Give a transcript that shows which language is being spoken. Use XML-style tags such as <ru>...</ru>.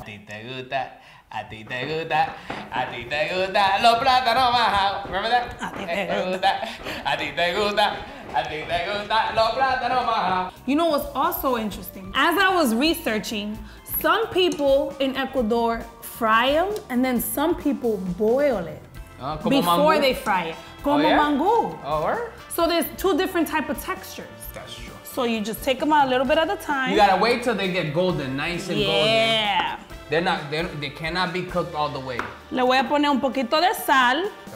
<es>A ti te gusta, a ti te gusta, a ti te gusta los plátanos majados.</es> <en>Remember that?</en> <es>A ti te gusta, a ti te gusta, a ti te gusta los plátanos majados.</es> <en>You know what's also interesting? As I was researching, some people in Ecuador fry them and then some people boil it before they fry it.</en> <es>Como mango.</es> <en>So there's two different type of textures. That's true. So you just take them out a little bit at a time. You gotta wait till they get golden, nice and golden. Yeah. They cannot be cooked all the way.</en> <es>Le voy a poner un poquito de sal.</es>